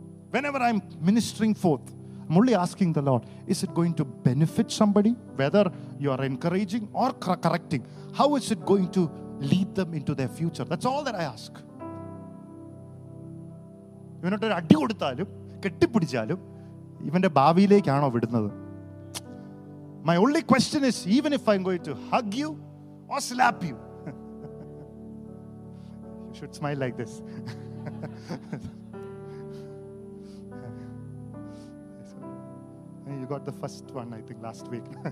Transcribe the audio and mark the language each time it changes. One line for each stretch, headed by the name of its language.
English: Whenever I'm ministering forth, I'm only asking the Lord, is it going to benefit somebody? Whether you are encouraging or correcting, how is it going to lead them into their future? That's all that I ask.
Malayalam: ഇവനോട്ട് ഒരു അടി കൊടുത്താലും കെട്ടിപ്പിടിച്ചാലും ഇവന്റെ ഭാവിയിലേക്കാണോ വിടുന്നത്?
English: My only question is, even if I'm going to hug you or slap you, you should smile like this. You got the first one, I think, last week.